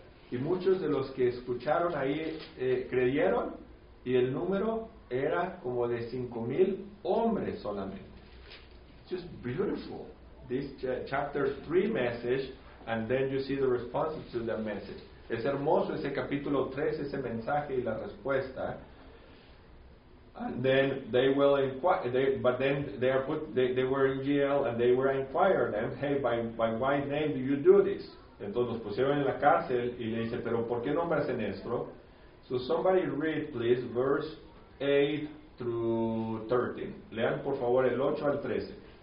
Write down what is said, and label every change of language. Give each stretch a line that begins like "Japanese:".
Spanish: Y muchos de los que escucharon ahí creyeron, y el número era como de 5,000 hombres solamente.
English: Just beautiful. This chapter 3 message, and then you see the responses to that message.
Spanish: Es hermoso ese capítulo 3, ese mensaje y la respuesta.
English: And then they will inquire, they were in jail and they were inquiring them, hey, by what name do you do this?
Spanish: Entonces los pusieron en la cárcel y le dice, pero ¿por qué nombras en esto?
English: So somebody read, please, verse 8 through 13.
Spanish: Lean, por favor, el 8 al 13.